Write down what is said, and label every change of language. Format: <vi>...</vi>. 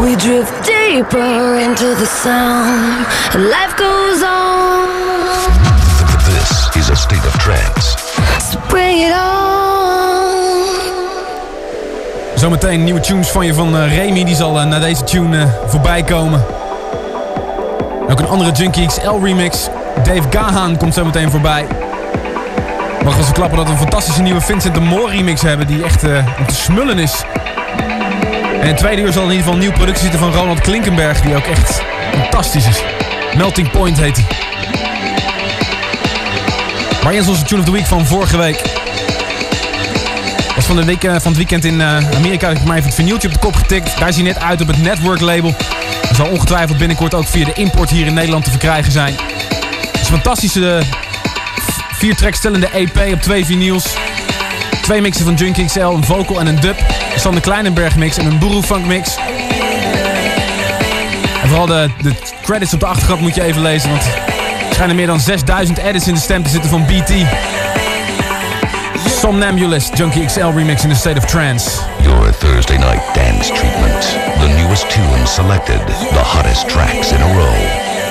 <en>We drift deeper into the sound. Life goes on. This is a state of trance. So bring it on.</en> <nl>Zometeen nieuwe tunes van je van Remy. Die zal naar deze tune voorbij komen. Ook een andere Junkie XL remix. Dave Gahan komt zo meteen voorbij. Mag wel eens klappen dat we een fantastische nieuwe Vincent de Moor remix hebben die echt om te smullen is. En in het tweede uur zal in ieder geval een nieuwe productie zitten van Ronald Klinkenberg die ook echt fantastisch is. Melting Point heet hij. Maar eerst onze Tune of the Week van vorige week. Dat was van, de week, van het weekend in Amerika. Ik heb mij even het vinyltje op de kop getikt. Daar is hij net uit op het Network label. Hij zal ongetwijfeld binnenkort ook via de import hier in Nederland te verkrijgen zijn. Fantastische 4-track-stellende EP op 2 vinyls. 2 mixen van Junkie XL, een vocal en een dub. Een Sander Kleinenberg mix en een Boeroe Funk mix. En vooral de credits op de achtergrond moet je even lezen, want er schijnen meer dan 6000 edits in de stem te zitten van BT.</nl> <en>Somnambulist, Junkie XL remix in the State of Trance. Your Thursday night dance treatment. The newest tune selected. The hottest tracks in a row.</en>